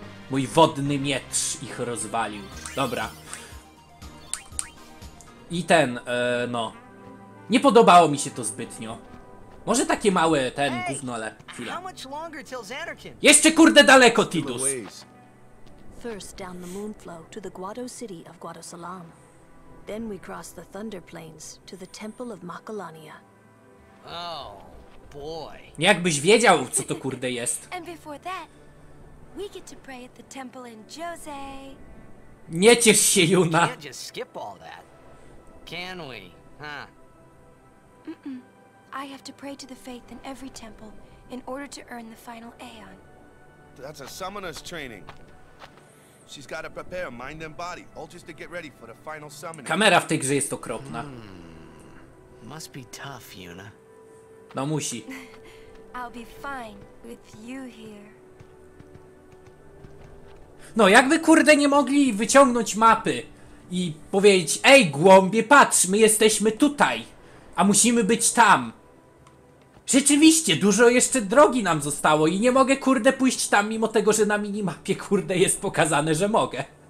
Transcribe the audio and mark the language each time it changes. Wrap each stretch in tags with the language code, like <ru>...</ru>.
<pl>Mój wodny miecz ich rozwalił. Dobra. I ten, no. Nie podobało mi się to zbytnio. Może takie małe ten gówno, ale chwila. Jeszcze kurde daleko, Tidus!</pl> <en>First down the moonflow to the Guado city of Guado Salam. Then we cross the Thunder Plains to the Temple of Makalania. Oh boy.</en> <pl>Jakbyś wiedział, co to kurde jest.</pl> <en>And before that, we get to pray at the temple in Jose.</en> <pl>Nie ciesz się, Juna.</pl> <en>Can't just skip all that, can we, huh? Mm-mm. I have to pray to the faith in every temple in order to earn the final Aeon. That's a summoner's training. She's got to prepare mind and body, all just to get ready for the final summoning.</en> <pl>Kamera w tej grze jest okropna.</pl> <en>Must be tough, Yuna.</en> <pl>No musi.</pl> <en>I'll be fine with you here.</en> <pl>No jakby kurde nie mogli wyciągnąć mapy i powiedzieć, ej głąbie, patrz, my jesteśmy tutaj, a musimy być tam. Rzeczywiście, dużo jeszcze drogi nam zostało i nie mogę, kurde, pójść tam, mimo tego, że na minimapie, kurde, jest pokazane, że mogę.</pl>